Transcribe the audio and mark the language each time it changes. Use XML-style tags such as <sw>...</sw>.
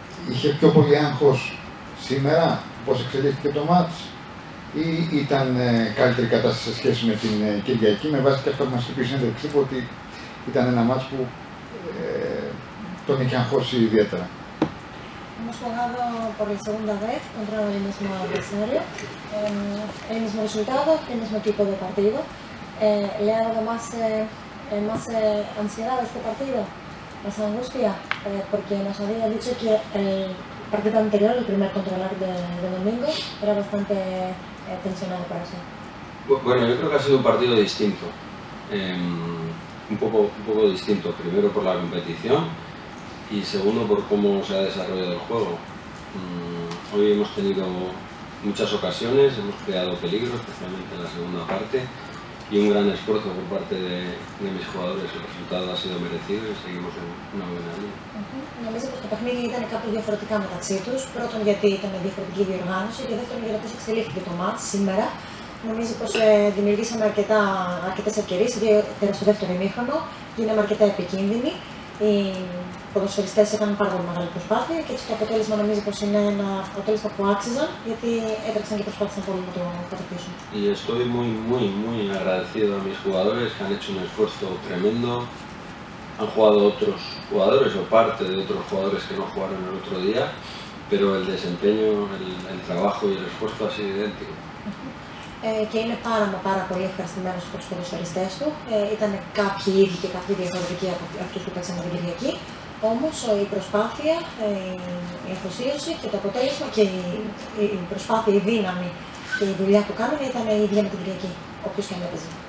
<el>Είχε πιο πολύ άγχος σήμερα, πώς εξελίχθηκε το μάτς, ή ήταν καλύτερη κατάσταση σε σχέση με την Κυριακή, με βάση και αυτό που μας είπε η συνέντευξή του, ότι ήταν ένα μάτς που τον είχε αγχώσει ιδιαίτερα.</el> <es>Hemos jugado por la segunda vez contra el mismo adversario, el mismo resultado, el mismo tipo de partido. ¿Le ha dado más, más ansiedad a este partido, más angustia? Porque nos había dicho que el partido anterior, el primer controlar de domingo, era bastante tensionado para usted. Bueno, yo creo que ha sido un partido distinto, un poco distinto, primero por la competición, y segundo, por cómo se ha desarrollado el juego. Hoy hemos tenido muchas ocasiones, hemos creado peligro, especialmente en la segunda parte, y un gran esfuerzo por parte de mis jugadores. El resultado ha sido merecido y seguimos en una buena línea.</es> <el>Νομίζω πως το παιχνίδι ήταν κάποιο διαφορετικά μεταξύ τους. Πρώτον, γιατί ήταν διαφορετική διοργάνωση, και δεύτερον, γιατί πώς εξελίχθηκε το μάτς σήμερα. Νομίζω πως δημιουργήσαμε αρκετές ευκαιρίες, ιδιαίτερα στο δεύτερο ημίχρονο, γίναμε αρκετά επικίνδυνοι. Οι ποδοσφαιριστές έκαναν πάρα πολύ μεγάλη προσπάθεια και έτσι το αποτέλεσμα νομίζω πως είναι ένα αποτέλεσμα που άξιζαν, γιατί έτρεξαν και προσπάθησαν πολύ να το κατακτήσουν.</el> <es>Y estoy muy, muy, muy agradecido a mis jugadores que han hecho un esfuerzo tremendo. Han jugado otros jugadores o parte de otros jugadores que no jugaron el otro día, pero el desempeño, el trabajo y el esfuerzo ha sido idéntico.</es> <el>Και είναι πάρα πολύ ευχαριστημένος από τους ποδοσφαιριστές του. Ήταν κάποιοι ίδιοι και κάποιοι διαφορετικοί από αυτούς που παίξαν την Κυριακή. Όμως η προσπάθεια, η αφοσίωση και το αποτέλεσμα και η προσπάθεια, η δύναμη και η δουλειά που κάνουν ήταν η ίδια με την Κυριακή, όποιος και αν έπαιζε.</el>